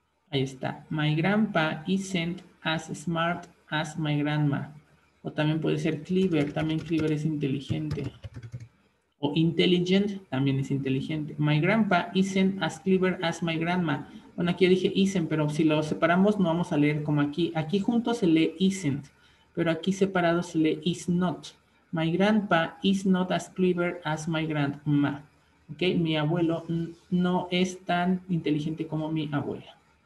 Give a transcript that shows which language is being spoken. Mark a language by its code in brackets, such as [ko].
[es] Ahí está. [en] My grandpa isn't as smart as my grandma. [es] O también puede ser clever. También clever es inteligente. O intelligent también es inteligente. [en] My grandpa isn't as clever as my grandma. [es] Bueno, aquí ya dije isn't, pero si lo separamos, no vamos a leer como aquí. Aquí junto se lee isn't, pero aquí separado se lee is not. [en] My grandpa is not as clever as my grandma. [es] Okay, mi abuelo no es tan inteligente como mi abuela.